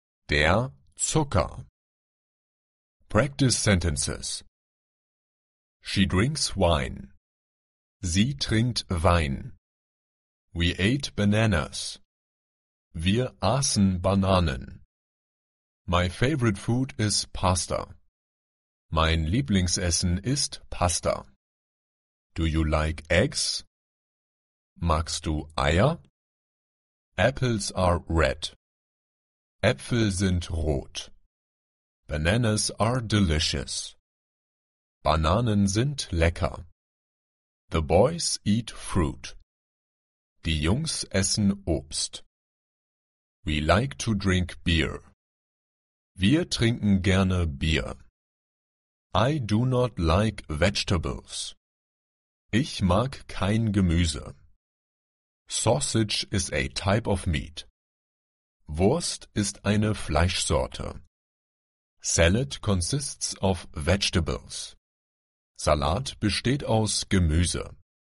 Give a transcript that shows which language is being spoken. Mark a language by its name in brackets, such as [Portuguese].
[German] Der Zucker. [English] Practice sentences. She drinks wine. [German] Sie trinkt Wein. [English] We ate bananas. [German] Wir aßen Bananen. [English] My favorite food is pasta. [German] Mein Lieblingsessen ist Pasta. [English] Do you like eggs? [German] Magst du Eier? [English] Apples are red. [German] Äpfel sind rot. [English] Bananas are delicious. [German] Bananen sind lecker. [English] The boys eat fruit. [German] Die Jungs essen Obst. [English] We like to drink beer. [German] Wir trinken gerne Bier. [English] I do not like vegetables. [German] Ich mag kein Gemüse. [English] Sausage is a type of meat. [German] Wurst ist eine Fleischsorte. [English] Salad consists of vegetables. [German] Salat besteht aus Gemüse.